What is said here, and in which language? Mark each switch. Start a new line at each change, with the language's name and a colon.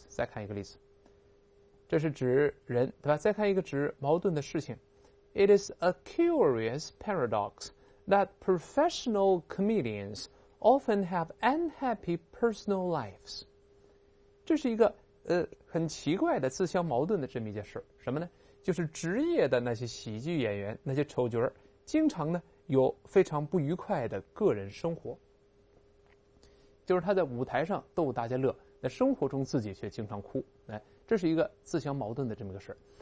Chinese: 再看一个例子，这是指人对吧？再看一个指矛盾的事情。
English: It is a curious paradox that professional comedians. Often have unhappy personal lives.
Chinese: 这是一个很奇怪的自相矛盾的这么一件事。什么呢？就是职业的那些喜剧演员，那些丑角儿，经常呢有非常不愉快的个人生活。就是他在舞台上逗大家乐，那生活中自己却经常哭，哎，这是一个自相矛盾的这么一个事儿。